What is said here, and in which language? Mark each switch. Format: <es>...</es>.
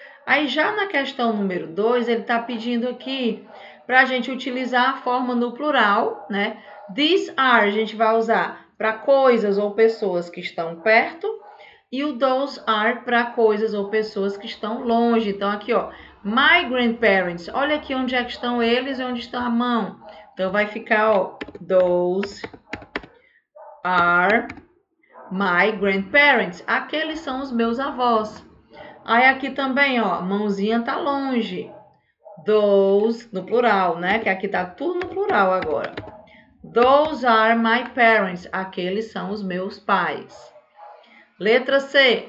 <pt>Aí, já na questão número 2, ele está pedindo aqui para a gente utilizar a forma no plural, né? These are, a gente vai usar para coisas ou pessoas que estão perto. E o those are para coisas ou pessoas que estão longe. Então, aqui, ó. My grandparents. Olha aqui onde é que estão eles e onde está a mão. Então, vai ficar, ó.</pt> <en>Those are my grandparents.</en> <pt>Aqueles são os meus avós. Aí, aqui também, ó, mãozinha tá longe. Those, no plural, né? Que aqui tá tudo no plural agora. Those are my parents. Aqueles são os meus pais. Letra C.</pt>